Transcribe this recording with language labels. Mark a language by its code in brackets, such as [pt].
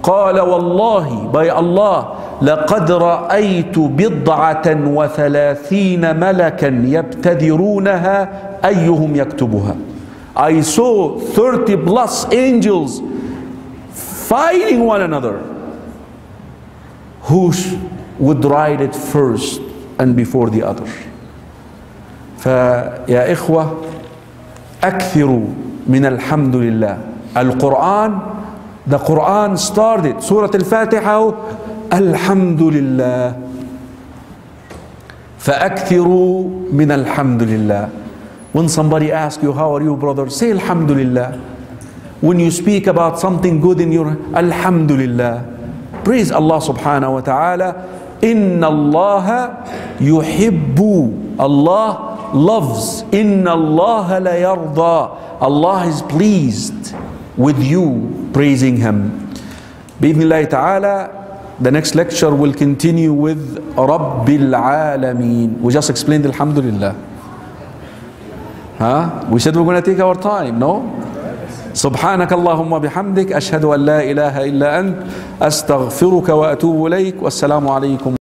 [ar] قَالَ وَاللَّهِ, [en] by Allah, [ar] لَقَدْ رَأَيْتُ بِضْعَةً وَثَلَاثِينَ مَلَكًا يَبْتَذِرُونَهَا أَيُّهُمْ يَكْتُبُهَا. [en] I saw 30 plus angels fighting one another. Who would write it first and before the other? [ar] فيا إخوة أكثروا من الحمد لله. القرآن, [en] the Quran started, [ar] سورة الفاتحة, الحمد لله. فأكثروا من الحمد لله. [en] When somebody asks you, how are you, brother? [ar] Say, الحمد لله. [en] When you speak about something good in your, [ar] الحمد لله. [en] Praise Allah subhanahu wa ta'ala. [ar] إِنَّ اللَّهَ يُحِبُّ. [en] Allah loves. [ar] إِنَّ اللَّهَ لَيَرْضَى. [en] Allah is pleased with you praising Him. [ar] بإذن الله تعالى, [en] the next lecture will continue with [ar] رَبِّ الْعَالَمِينَ. [en] We just explained Alhamdulillah. Huh? We said we're going to take our time, no? [ar] سبحانك اللهم وبحمدك أشهد أن لا إله إلا أنت أستغفرك وأتوب إليك والسلام عليكم.